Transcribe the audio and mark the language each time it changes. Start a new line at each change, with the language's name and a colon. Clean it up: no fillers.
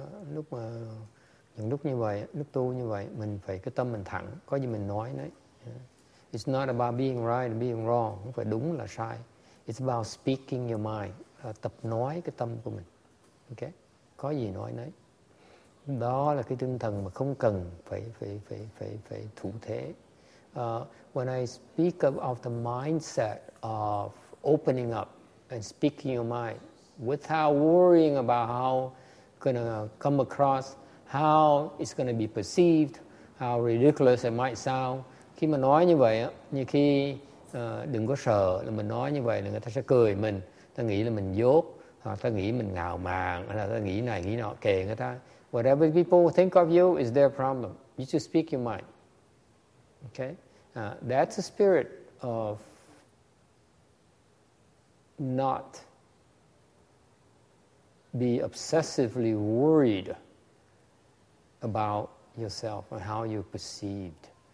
Vietnamese: Lúc mà những lúc như vậy, lúc tu như vậy, mình phải cái tâm mình thẳng, có gì mình nói đấy.
English: It's not about being right and being wrong,
Vietnamese: không phải đúng là sai.
English: It's about speaking your mind,
Vietnamese: tập nói cái tâm của mình. Okay? Có gì nói đấy. Đó là cái tinh thần mà không cần phải thủ thế.
English: When I speak of the mindset of opening up and speaking your mind without worrying about how gonna come across, how it's going to be perceived, how ridiculous it might sound.
Vietnamese: Khi mà nói như vậy, như khi đừng có sợ là mình nói như vậy là người ta sẽ cười mình, ta nghĩ là mình dốt, hoặc ta nghĩ mình ngạo mạn, hoặc là ta nghĩ này nghĩ nọ, kệ người ta.
English: Whatever people think of you is their problem. You just speak your mind. Okay, that's the spirit of not be obsessively worried about yourself and how you perceived.